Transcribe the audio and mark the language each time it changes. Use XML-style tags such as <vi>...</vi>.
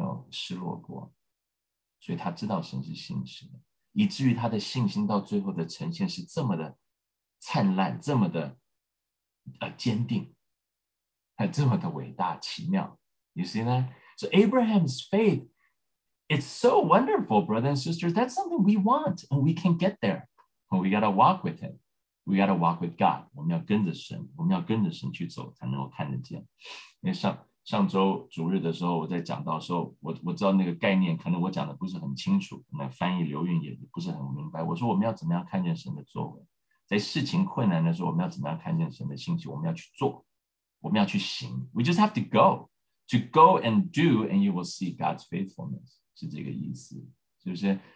<zh>失落过，所以他知道神是信实的，以至于他的信心到最后的呈现是这么的灿烂，这么的坚定，还这么的伟大奇妙。</zh> <en>You see that? So Abraham's faith, it's so wonderful, brothers and sisters. That's something we want, and we can get there. But we gotta walk with him. We gotta walk with God.</en> <zh>我们要跟着神，我们要跟着神去走，才能够看得见。因为上周主日的时候我在讲到说 我知道那个概念可能我讲的不是很清楚，那翻译刘韵也不是很明白，我说我们要怎么样看见神的作为，在事情困难的时候我们要怎么样看见神的信息，我们要去做，我们要去行，</zh> <en>We just have to go and do and you will see God's faithfulness，</en> <zh>是这个意思，是不是？</zh>